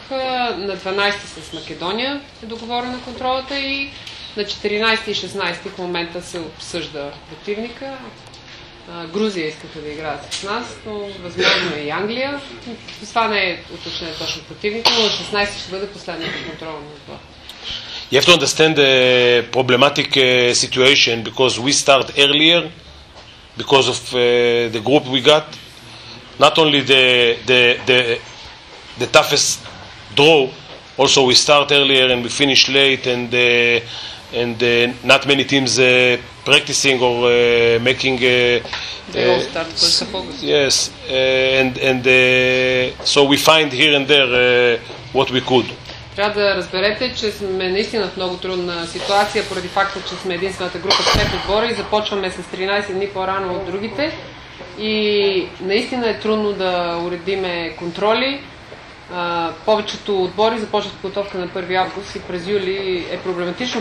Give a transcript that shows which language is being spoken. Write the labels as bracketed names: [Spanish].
[Bulgarian] На 12 с Македония е договорена контролата и на 14 и 16 в момента се обсъжда противника. Грузия искаха да играят с нас, но възможно и Англия. Това не е уточнен точно противника, но на 16 ще бъде последната контрола на това. [English] You have to understand the problematic situation because we start earlier. Because of the group we got, not only the toughest draw, also we start earlier and we finish late, and not many teams practicing or making. They all start for August. Yes, and so we find here and there what we could. [Bulgarian] Трябва да разберете, че сме наистина в много трудна ситуация, поради факта, че сме единствената група в пет отбора и започваме с 13 дни по-рано от другите. И наистина е трудно да уредиме контроли. Повечето отбори започват подготовка на 1 август и през юли е проблематично.